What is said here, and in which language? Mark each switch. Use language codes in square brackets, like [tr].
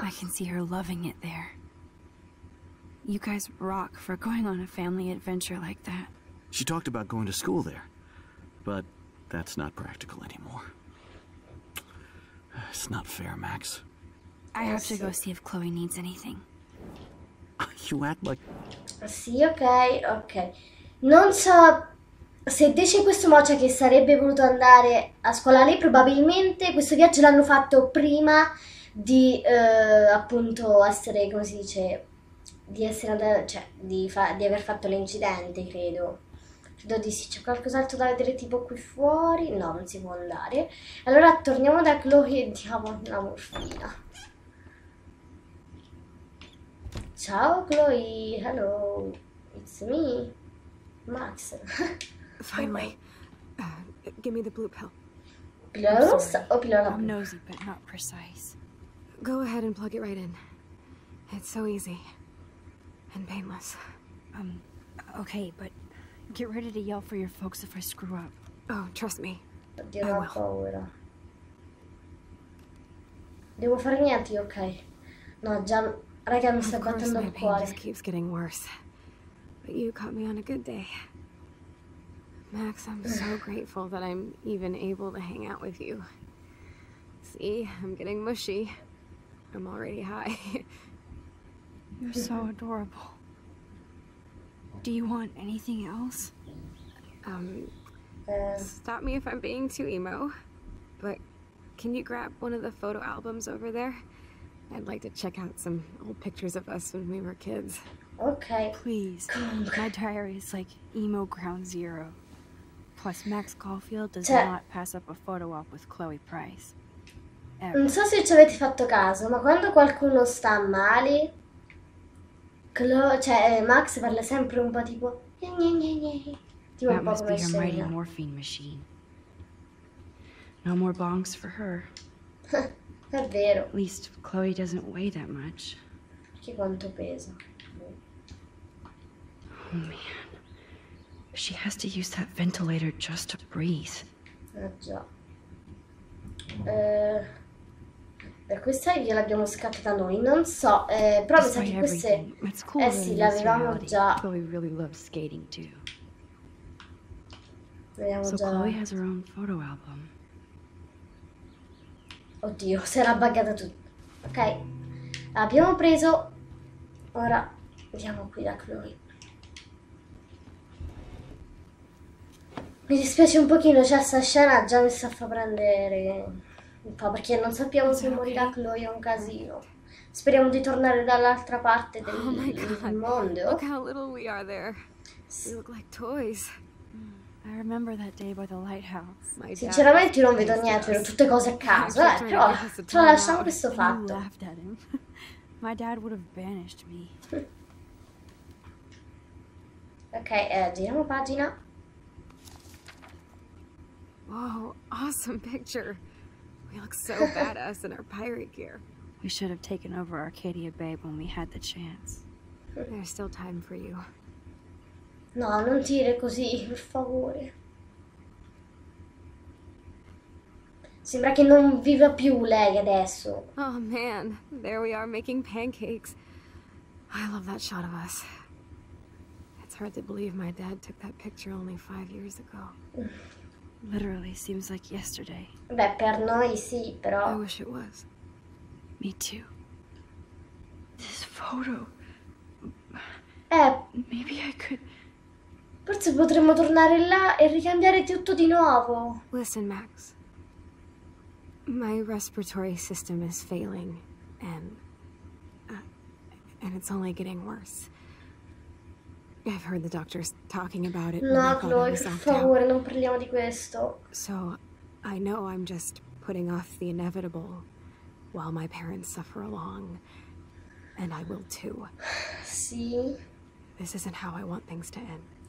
[en] I can see her loving it there. You guys rock for going on a family adventure like that. She talked about going to school there. But that's not practical anymore. It's not fair, Max. I have to go see if Chloe needs anything. You act like... [it] sì, ok, ok. Non so se dice in questo modo, cioè che sarebbe voluto andare a scuola lei, probabilmente questo viaggio l'hanno fatto prima di appunto essere, come si dice, di essere andata, cioè di aver fatto l'incidente, credo. Credo di sì, c'è qualcos'altro da vedere tipo qui fuori? No, non si può andare. Allora torniamo da Chloe e diamo la morfina. [en] Ciao Chloe, hello, it's me, Max. Finally, give me the blue pill. [it] Pillola rossa o pillola blu? [en] I'm nosy but not precise. Go ahead and plug it right in. It's so easy and painless. Okay, but... get ready to yell for your folks if I screw up. Oh, trust me. [it] Oddio, ho paura. Devo fare niente, ok. No, già, raga, mi sta battendo il cuore. [en] Of course, my pain just keeps getting worse. But you caught me on a good day. Max, I'm so grateful that I'm even able to hang out with you. See, I'm getting mushy. I'm already high. You're so adorable. Do you want anything else? Stop me if I'm being too emo, but can you grab one of the photo albums over there? I'd like to check out some old pictures of us when we were kids. Okay. Please. Okay. My diary is like emo ground zero. Plus, Max Caulfield does not pass up a photo op with Chloe Price. Ever. [it] Non so se ci avete fatto caso, ma quando qualcuno sta male, cioè, Max parla sempre un po' tipo tipo un po' come scena. [en] That must be machine. No more bongs for her. [it] È vero. [en] At least Chloe doesn't weigh that much. [it] Che quanto pesa. [en] Oh man. She has to use that ventilator just to breathe. [it] Già. Per questa via l'abbiamo scattata noi, non so, però mi sa che queste, [en] cool, [it] eh sì, le avevamo già. [en] Chloe really loves skating too. [it] Vediamo già. [en] Chloe has her own photo album. [it] Oddio, si era buggata tutto. Ok, l'abbiamo preso, ora andiamo qui da Chloe. Mi dispiace un pochino, cioè sta scena già mi sta a far prendere un po', perché non sappiamo se morirà Chloe, è un casino. Speriamo di tornare dall'altra parte del, [en] oh my God, [it] del mondo. [en] Look how little we are there. We look like toys. I remember that day by the lighthouse. [it] Sinceramente io non vedo niente, vedo tutte cose a caso, però tralasciamo questo fatto. [en] My dad would have banished me. [it] Ok, giriamo pagina. [en] Wow, awesome picture. We look so badass in our pirate gear. We should have taken over Arcadia Bay when we had the chance. There's still time for you. [it] No, non dire così, per favore. Sembra che non viva più lei adesso. [en] Oh man, there we are making pancakes. I love that shot of us. It's hard to believe my dad took that picture only 5 years ago. Literally seems like yesterday. [it] Beh, per noi sì, però. [en] I wish it was. Me too. This photo. Maybe I could. [it] Forse potremmo tornare là e ricambiare tutto di nuovo. [en] Listen, Max. My respiratory system is failing, and it's only getting worse. I've heard the doctors talking about it. [it] No, Chloe, per favore, non parliamo di questo. [en] So, I know I'm just putting off the inevitable while my parents suffer along, and I will too. [it] Sì. [en] This isn't how I want things to end.